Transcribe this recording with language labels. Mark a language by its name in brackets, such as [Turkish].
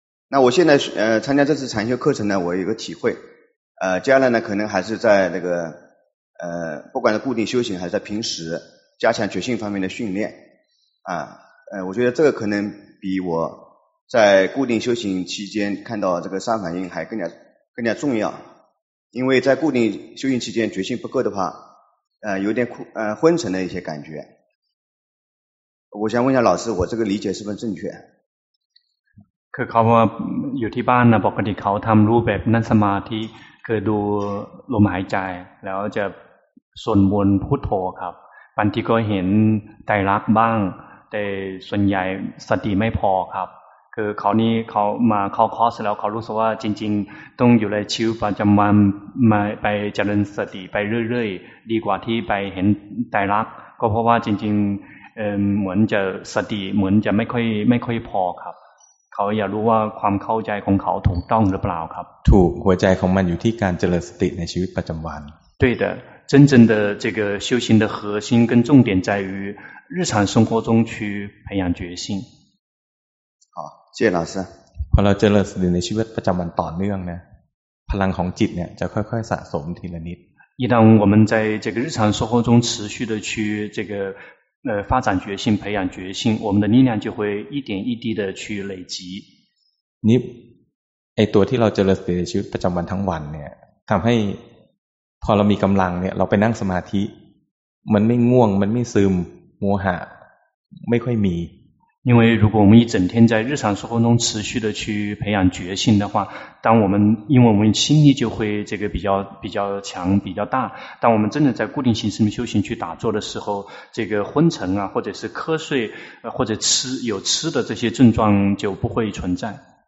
[Chinese] 那我现在参加这次禅修课程呢我有一个体会接下来呢可能还是在那个不管是固定修行还是在平时加强觉性方面的训练我觉得这个可能比我在固定修行期间看到这个三法印还更加重要因为在固定修行期间觉性不够的话有点昏沉的一些感觉我想问一下老师我这个理解是不是正确 [Thai] คือเขาว่าอยู่ที่บ้านนะปกติเขาทำรูปแบบนั่งสมาธิคือดูลมหายใจแล้วจะสวดมนต์พุทโธครับบางทีก็เห็น ไตรลักษณ์บ้างแต่ส่วนใหญ่สติไม่พอครับคือเขานี่เขามาเข้าคอร์สแล้วเขารู้สึกว่าจริงๆต้องอยู่ในชีวิตประจำวันมาไปเจริญสติไปเรื่อยๆดีกว่าที่ไปเห็นไตรลักษณ์ก็เพราะว่าจริงๆ เหมือนจะสติเหมือนจะไม่ค่อยพอครับเขาอยากรู้ว่าความเข้าใจของเขาถูกต้องหรือเปล่าครับ ถูกหัวใจของมันอยู่ที่การเจริญสติในชีวิตประจำวัน [Chinese] 对的真正的这个修行的核心跟重点在于日常生活中去培养决心好谢谢老师 [Thai] พอเราเจริญสติในชีวิตประจำวันต่อเนื่องนะพลังของจิตเนี่ยจะค่อยๆสะสมทีละนิด [Chinese] 一旦我们在这个日常生活中持续的去这个发展决心培养决心我们的力量就会一点一滴的去累积 [Thai] นี่ไอ้ตัวที่เราเจริญสติชีวิตประจำวันทั้งวันเนี่ยทำให้พอเรามีกำลังเนี่ยเราไปนั่งสมาธิมันไม่ง่วงมันไม่ซึมโมหะไม่ค่อยมี [Chinese] 因为如果我们一整天在日常生活中持续的去培养决心的话当我们因为我们心力就会这个比较强比较大当我们真的在固定形式的修行去打坐的时候这个昏沉啊或者是瞌睡或者有吃的这些症状就不会存在